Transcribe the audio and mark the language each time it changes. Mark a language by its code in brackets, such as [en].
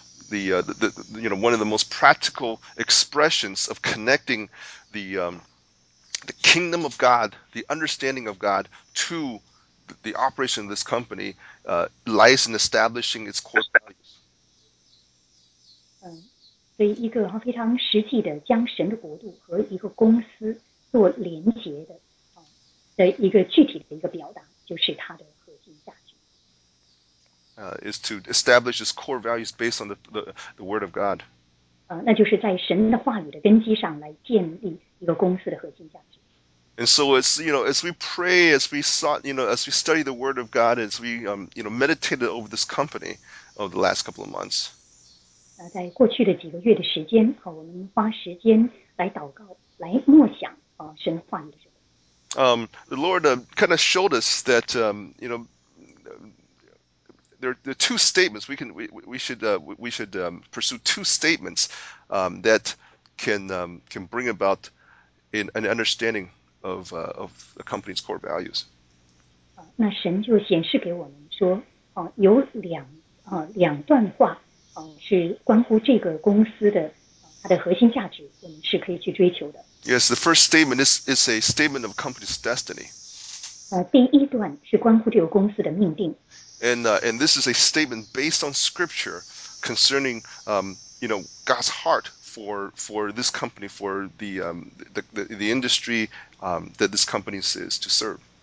[en] And one of the most practical expressions of connecting the kingdom of God, the understanding of God to the operation of this company lies in establishing its core values. [zh] 所以一个非常实际的将神的国度和一个公司做连结的一个具体的一个表达，就是它的核心价值。 [en] Is to establish its core values based on the word of God. [zh] 那就是在神的话语的根基上来建立一个公司的核心价值。 [en] And so, as we pray, as we sought, as we study the Word of God, as we meditated over this company over the last couple of months. [zh] 在过去的几个月的时间，我们花时间来祷告，来默想神话语的时候。 [en] The Lord kind of showed us that there are two statements we should pursue two statements that can bring about an understanding of the company's core values. [zh] 那神就显示给我们说，有两段话是关乎这个公司的它的核心价值，我们是可以去追求的。 [en] Yes, the first statement is a statement of company's destiny. [zh] 第一段是关乎这个公司的命定。 [en] And this is a statement based on scripture concerning you know God's heart for this company for the industry that this company is to serve.